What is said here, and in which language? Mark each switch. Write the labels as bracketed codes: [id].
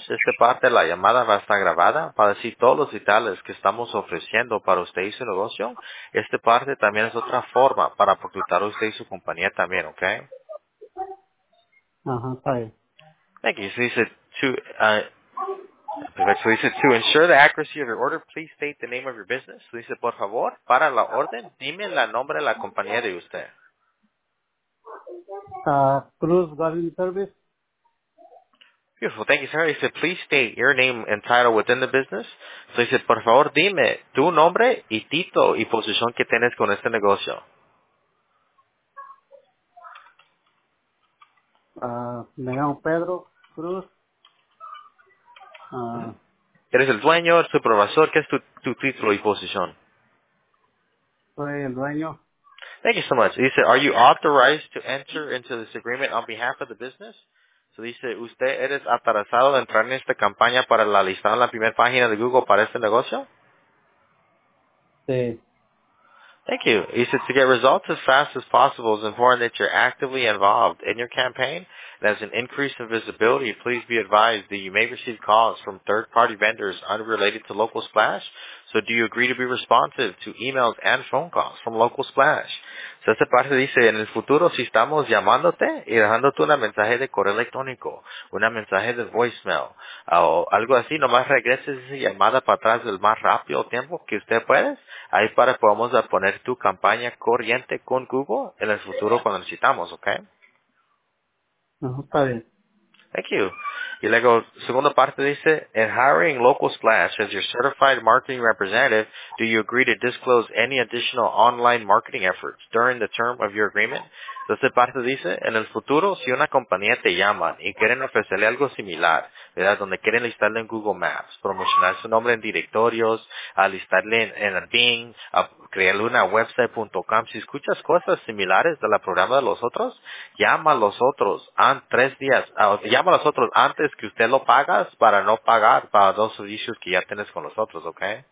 [es] Esta parte de la llamada va a estar grabada para decir todos los detalles que estamos ofreciendo para usted y su negocio. Esta parte también es otra forma para proclutar a usted y su compañía también, ¿ok? [en] Thank you. So he said, so he said, to ensure the accuracy of your order, please state the name of your business. So he said, [es] por favor, para la orden, dime el nombre de la compañía de usted. Cruz Garden Service. [en] Beautiful. Thank you, sir. He said, please state your name and title within the business. So he said, [es] por favor, dime tu nombre y título y posición que tienes con este negocio. Me llamo Pedro Cruz. ¿Eres el dueño, el supervisor? ¿Qué es tu título y posición? Soy el dueño. [en] Thank you so much. He said, are you authorized to enter into this agreement on behalf of the business? So he said, [es] ¿usted eres autorizado de entrar en esta campaña para la lista en la primera página de Google para este negocio? Sí. [en] Thank you. He said, to get results as fast as possible, it's important that you're actively involved in your campaign. And as an increase in visibility, please be advised that you may receive calls from third-party vendors unrelated to Local Splash. So do you agree to be responsive to emails and phone calls from Local Splash? [es] So esta parte dice, en el futuro si estamos llamándote y dejándote un mensaje de correo electrónico, un mensaje de voicemail, o algo así, nomás regreses esa llamada para atrás el más rápido tiempo que usted puede, ahí para que podamos poner tu campaña corriente con Google en el futuro cuando necesitamos, ¿ok? Está bien. [en] Thank you. [es] Y luego, segunda parte dice, [en] in hiring Local Splash as your certified marketing representative, do you agree to disclose any additional online marketing efforts during the term of your agreement? [es] Entonces, parte dice, en el futuro, si una compañía te llama y quieren ofrecerle algo similar, ¿verdad? Donde quieren listarle en Google Maps, promocionar su nombre en directorios, listarle en Bing, a crearle una website.com. Si escuchas cosas similares de la programa de los otros, llama a los otros llama a los otros antes que usted lo pagas para no pagar para dos servicios que ya tienes con los otros, ¿ok?